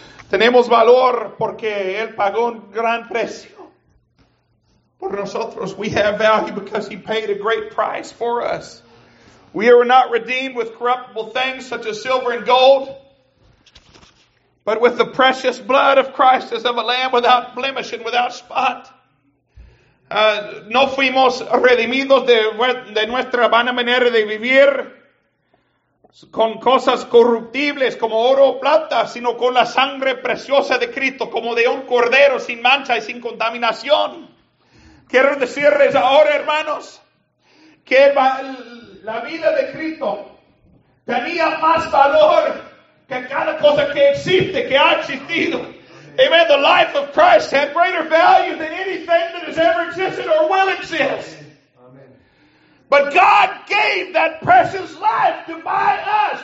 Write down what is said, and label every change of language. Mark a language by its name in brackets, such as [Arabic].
[Spanish] Tenemos valor porque Él pagó un gran precio por nosotros. [English] We have value because He paid a great price for us. We are not redeemed with corruptible things such as silver and gold, but with the precious blood of Christ as of a lamb without blemish and without spot. [Spanish] No fuimos redimidos de nuestra vana manera de vivir, con cosas corruptibles como oro o plata, sino con la sangre preciosa de Cristo, como de un cordero sin mancha y sin contaminación. Quiero decirles ahora, hermanos, que la vida de Cristo tenía más valor que cada cosa que existe, que ha existido. Amen. [English] The life of Christ had greater value than anything that has ever existed or will exist. But God gave that precious life to buy us.